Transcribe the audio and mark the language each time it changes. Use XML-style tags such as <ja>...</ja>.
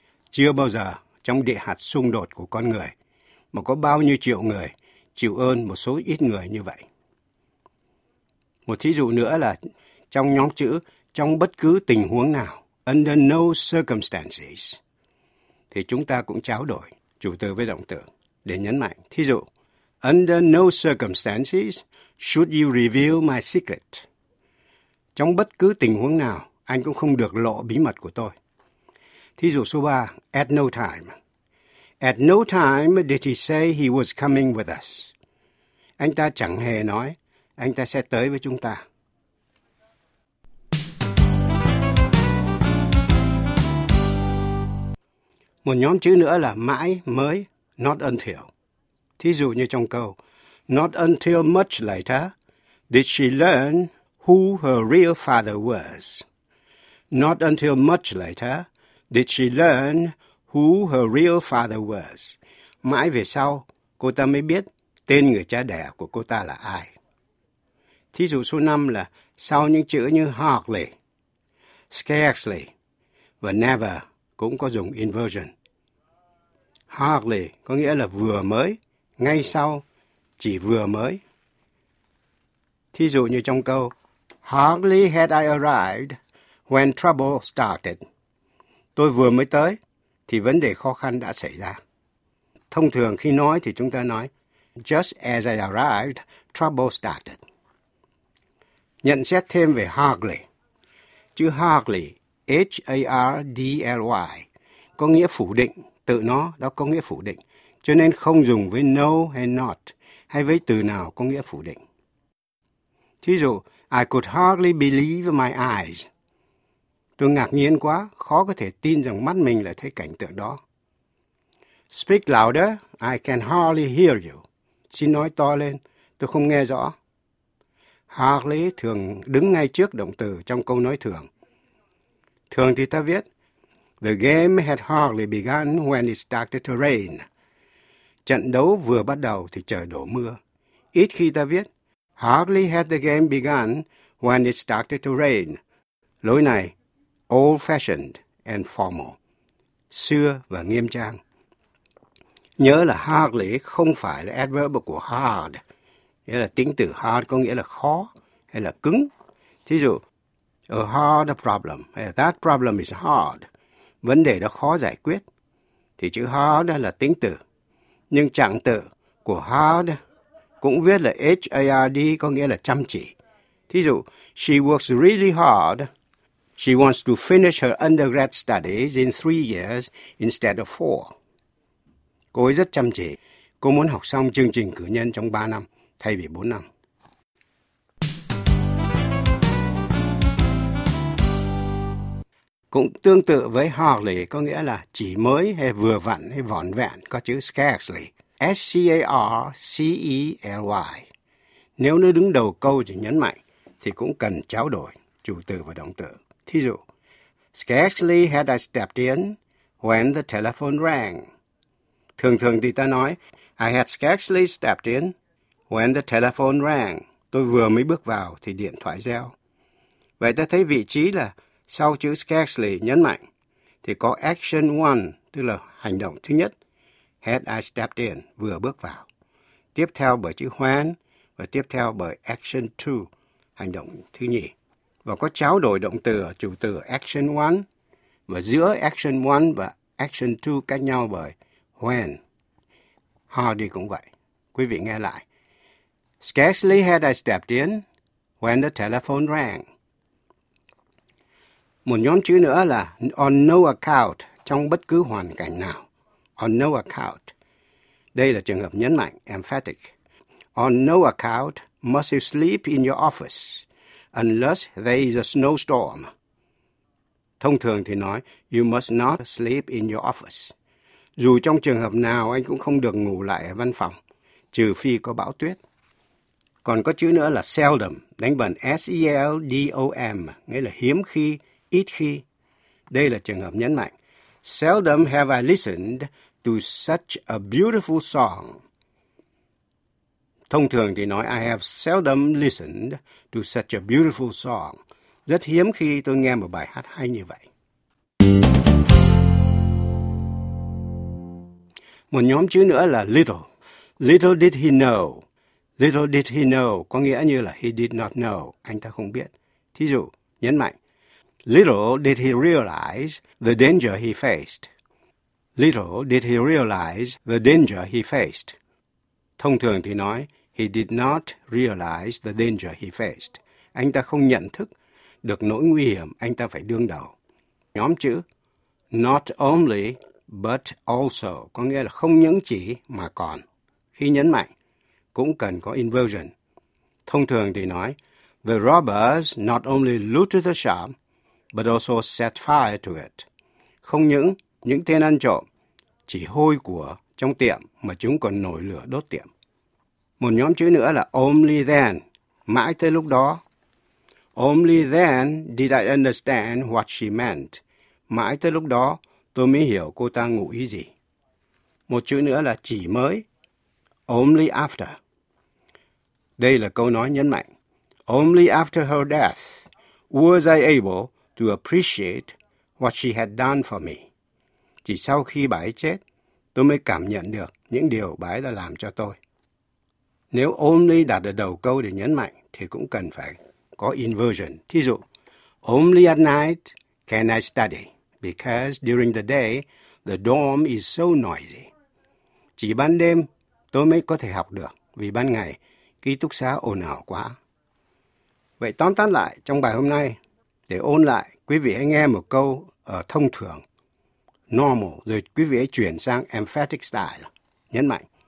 <vi>Chưa bao giờ trong địa hạt xung đột của con người mà có bao nhiêu triệu người chịu ơn một số ít người như vậy. Một thí dụ nữa là trong nhóm chữ trong bất cứ tình huống nào,</vi> <en>under no circumstances,</en> <vi>thì chúng ta cũng trao đổi chủ từ với động từ để nhấn mạnh. Thí dụ,</vi> <en>under no circumstances should you reveal my secret.</en> <vi>Trong bất cứ tình huống nào, anh cũng không được lộ bí mật của tôi. Thí dụ số 3,</vi> <en>at no time. At no time did he say he was coming with us.</en> <vi>Anh ta chẳng hề nói anh ta sẽ tới với chúng ta. Một nhóm chữ nữa là mãi, mới,</vi> <en>not until.</en> <vi>Thí dụ như trong câu,</vi> <en>not until much later did she learn who her real father was. Not until much later did she learn who her real father was.</en> <vi>Mãi về sau, cô ta mới biết tên người cha đẻ của cô ta là ai. Thí dụ số 5 là sau những chữ như hardly, scarcely và never cũng có dùng inversion. Hardly có nghĩa là vừa mới, ngay sau, chỉ vừa mới. Thí dụ như trong câu,</vi> <en>hardly had I arrived when trouble started.</en> <vi>Tôi vừa mới tới, thì vấn đề khó khăn đã xảy ra. Thông thường khi nói thì chúng ta nói,</vi> <en>just as I arrived, trouble started.</en> <vi>Nhận xét thêm về hardly. Chữ hardly, H-A-R-D-L-Y, có nghĩa phủ định, tự nó đó có nghĩa phủ định, cho nên không dùng với no hay not, hay với từ nào có nghĩa phủ định.</vi> <en>Thí dụ, I could hardly believe my eyes.</en> <vi>Tôi ngạc nhiên quá, khó có thể tin rằng mắt mình lại thấy cảnh tượng đó.</vi> <en>Speak louder, I can hardly hear you.</en> <vi>Xin nói to lên, tôi không nghe rõ. Hardly thường đứng ngay trước động từ trong câu nói thường. Thường thì ta viết,</vi> <en>the game had hardly begun when it started to rain.</en> <vi>Trận đấu vừa bắt đầu thì trời đổ mưa. Ít khi ta viết,</vi> <en>hardly had the game begun when it started to rain.</en> <vi>Lối này,</vi> <en>old-fashioned and formal,</en> <vi>xưa và nghiêm trang. Nhớ là hardly không phải là adverb của hard, nghĩa là tính từ hard có nghĩa là khó hay là cứng. Thí dụ,</vi> <en>a hard problem, that problem is hard.</en> <vi>Vấn đề đó khó giải quyết. Thì chữ hard là tính từ. Nhưng trạng từ của hard cũng viết là H-A-R-D có nghĩa là chăm chỉ. Thí dụ,</vi> <en>she works really hard. She wants to finish her undergrad studies in 3 years instead of 4.</en> <vi>Cô ấy rất chăm chỉ. Cô muốn học xong chương trình cử nhân trong 3 năm thay vì 4 năm. Cũng tương tự với hardly có nghĩa là chỉ mới hay vừa vặn hay vỏn vẹn có chữ scarcely. S-C-A-R-C-E-L-Y. Nếu nó đứng đầu câu chỉ nhấn mạnh thì cũng cần trao đổi chủ từ và động từ.</vi> <en>Thí dụ, scarcely had I stepped in when the telephone rang.</en> <vi>Thường thường thì ta nói,</vi> <en>I had scarcely stepped in when the telephone rang.</en> <vi>Tôi vừa mới bước vào thì điện thoại reo. Vậy ta thấy vị trí là sau chữ scarcely nhấn mạnh thì có</vi> <en>action one,</en> <vi>tức là hành động thứ nhất.</vi> <en>had I stepped in,</en> <vi>vừa bước vào. Tiếp theo bởi chữ when và tiếp theo bởi</vi> <en>action to,</en> <vi>hành động thứ nhì. Và có trao đổi động từ ở chủ từ</vi> <en>action one</en> <vi>và giữa action one và</vi> <en>action two</en> <vi>cách nhau bởi when. Hardy cũng vậy. Quý vị nghe lại.</vi> <en>Scarcely had I stepped in when the telephone rang.</en> <vi>Một nhóm chữ nữa là</vi> <en>on no account,</en> <vi>trong bất cứ hoàn cảnh nào.</vi> <en>On no account.</en> <vi>Đây là trường hợp nhấn mạnh, emphatic.</vi> <en>On no account must you sleep in your office unless there is a snowstorm.</en> <vi>Thông thường thì nói,</vi> <en>you must not sleep in your office.</en> <vi>Dù trong trường hợp nào anh cũng không được ngủ lại ở văn phòng, trừ phi có bão tuyết. Còn có chữ nữa là seldom, đánh bần S-E-L-D-O-M, nghĩa là hiếm khi, ít khi. Đây là trường hợp nhấn mạnh.</vi> <en>Seldom have I listened to such a beautiful song.</en> <vi>Thông thường thì nói</vi> <en>I have seldom listened to such a beautiful song.</en> <vi>Rất hiếm khi tôi nghe một bài hát hay như vậy. Một nhóm chữ nữa là little.</vi> <en>Little did he know. Little did he know</en> <vi>có nghĩa như là</vi> <en>he did not know.</en> <vi>Anh ta không biết. Thí dụ, nhấn mạnh.</vi> <en>Little did he realize the danger he faced. Little did he realize the danger he faced.</en> <vi>Thông thường thì nói,</vi> <en>he did not realize the danger he faced.</en> <vi>Anh ta không nhận thức được nỗi nguy hiểm anh ta phải đương đầu. Nhóm chữ</vi> <en>not only but also</en> <vi>có nghĩa là không những chỉ mà còn. Khi nhấn mạnh, cũng cần có inversion. Thông thường thì nói,</vi> <en>the robbers not only looted the shop, but also set fire to it.</en> <vi>Không những tên ăn trộm chỉ hôi của trong tiệm mà chúng còn nổi lửa đốt tiệm. Một nhóm chữ nữa là</vi> <en>only then,</en> <vi>mãi tới lúc đó.</vi> <en>Only then did I understand what she meant.</en> <vi>Mãi tới lúc đó tôi mới hiểu cô ta ngụ ý gì. Một chữ nữa là chỉ mới,</vi> <en>only after.</en> <vi>Đây là câu nói nhấn mạnh.</vi> <en>Only after her death was I able to appreciate what she had done for me.</en> <vi>Chỉ sau khi bà ấy chết, tôi mới cảm nhận được những điều bà ấy đã làm cho tôi. Nếu only đặt ở đầu câu để nhấn mạnh, thì cũng cần phải có inversion. Thí dụ,</vi> <en>only at night can I study, because during the day, the dorm is so noisy.</en> <vi>Chỉ ban đêm, tôi mới có thể học được, vì ban ngày, ký túc xá ồn ào quá. Vậy tóm tắt lại trong bài hôm nay, để ôn lại, quý vị hãy nghe một câu ở thông thường, normal, rồi quý vị hãy chuyển sang</vi> <en>emphatic style,</en> <vi>nhấn mạnh.</vi>